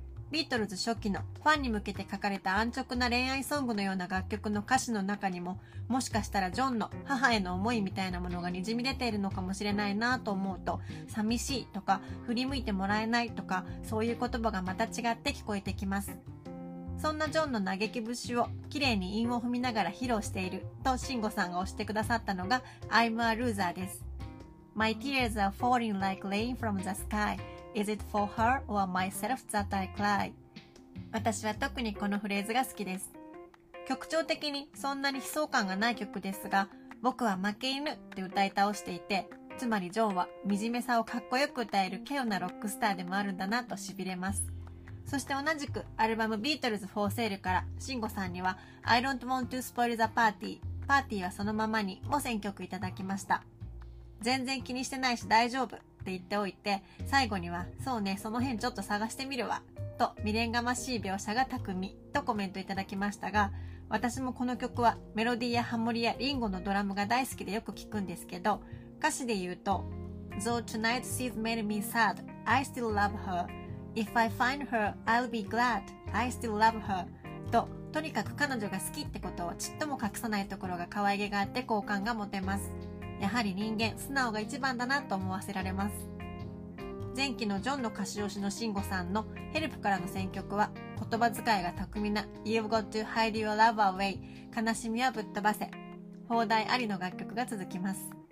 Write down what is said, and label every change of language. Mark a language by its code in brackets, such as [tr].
[ja] ビートルズ初期のファンに向けて書かれた安直な恋愛ソングのような楽曲の歌詞の中にも、もしかしたらジョンの母への思いみたいなものがにじみ出ているのかもしれないなと思うと、寂しいとか振り向いてもらえないとか、そういう言葉がまた違って聞こえてきます。そんなジョンの嘆き節を綺麗に韻を踏みながら披露しているとシンゴさんが押してくださったのが I'm a loser です。 [en] My tears are falling like rain from the skyIs it for her or myself that I cry? [ja] 私は特にこのフレーズが好きです。曲調的にそんなに悲壮感がない曲ですが、僕は負け犬って歌い倒していて、つまりジョンは惨めさをかっこよく歌える稀有なロックスターでもあるんだなとしびれます。そして同じくアルバムビートルズ4セールからシンゴさんには I don't want to spoil the party、 パーティーはそのままにも選曲いただきました。全然気にしてないし大丈夫って言っておいて、最後にはそうね、その辺ちょっと探してみるわと未練がましい描写が巧みとコメントいただきましたが、私もこの曲はメロディーやハモリやリンゴのドラムが大好きでよく聞くんですけど、歌詞で言うと [en] Though tonight she's made me sad, I still love her. If I find her, I'll be glad, I still love her. [ja] と、とにかく彼女が好きってことをちっとも隠さないところが可愛げがあって好感が持てます。やはり人間素直が一番だなと思わせられます。前期のジョンの歌詞推しのシンゴさんのヘルプからの選曲は、言葉遣いが巧みな You've got to hide your love away、 悲しみはぶっ飛ばせ、放題ありの楽曲が続きます。